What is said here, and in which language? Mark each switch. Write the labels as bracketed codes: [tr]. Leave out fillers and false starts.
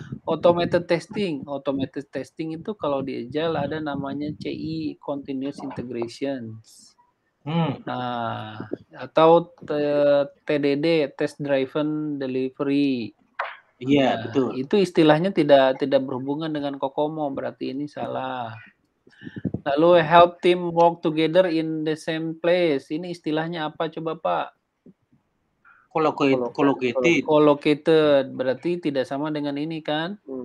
[id] Automated testing itu kalau di Agile ada namanya CI, Continuous Integration. Nah, atau TDD, Test Driven Delivery. Iya, betul. Itu istilahnya tidak berhubungan dengan Kokomo, berarti ini salah. [en] Lalu help team work together in the same place. [id] Ini istilahnya apa coba, Pak? [en] Collocated. [id] Collocated berarti tidak sama dengan ini kan?